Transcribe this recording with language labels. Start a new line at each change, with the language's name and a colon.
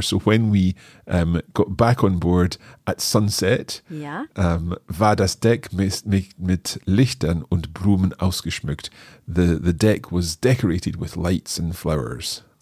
English: So when we got back on board at sunset, ja.
German: War das Deck mit Lichtern und Blumen ausgeschmückt.
English: The deck was decorated with lights and flowers.